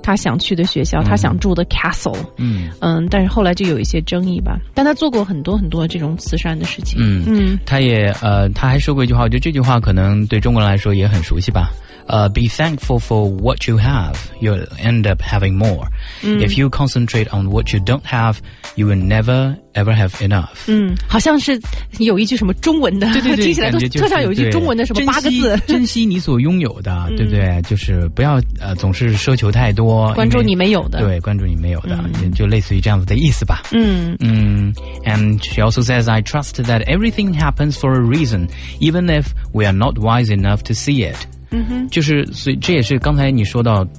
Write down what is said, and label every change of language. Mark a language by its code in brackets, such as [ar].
[zh] 就他把那学校花了太多太多钱，就好像建立他一个小的时候梦想中的那种他想去的学校，他想住的castle. 但是后来就有一些争议吧，但他做过很多很多这种慈善的事情。他还说过一句话，我觉得这句话可能对中国人来说也很熟悉吧。 [en] Be thankful for what you have, you'll end up having more. If you concentrate on what you don't have, you will never ever have enough. [zh] 好像是有一句什么中文的，听起来都特效有一句中文的什么八个字，珍惜你所拥有的，对不对？就是不要总是奢求太多，关注你没有的，对，关注你没有的，就类似于这样子的意思吧。And [en] she also says, I trust that everything happens for a reason, even if we are not wise enough to see it. [zh] 就是，所以这也是刚才你说到。